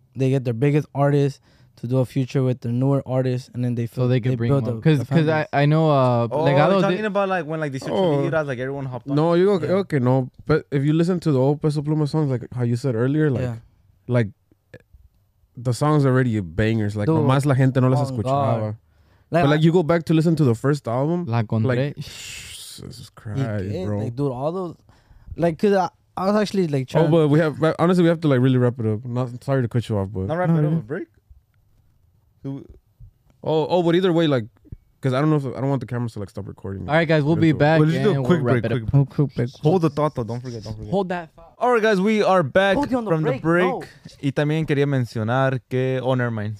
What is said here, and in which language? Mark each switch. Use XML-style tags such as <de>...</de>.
<en>They get their biggest artists to do a feature with the newer artists, and then they build them. Because I know Legado. Oh, are you talking about like when like the social media, like everyone hopped on? No, you go, yeah. Okay, no. But if you listen to the old Peso Pluma songs, like how you said earlier, like, like the songs are already bangers. Like, dude,</en> <es>nomás la gente no las escuchaba.</es> <en>Like, but like you go back to listen to the first album, La Contré. Like, Jesus Christ, bro. Like, dude, all those. Like, because I was actually like trying. Oh, but we have, but honestly, we have to like really wrap it up. Not sorry to cut you off, but. Not wrap it up, a break? Oh, but either way, like, because I don't want the cameras to like stop recording. All right, guys, we'll be back. We'll just do a quick break. Hold the thought, though. Don't forget. Hold that thought. All right, guys, we are back from the break.</en> <es>Y también quería mencionar que,</es> <en>oh, never mind.</en>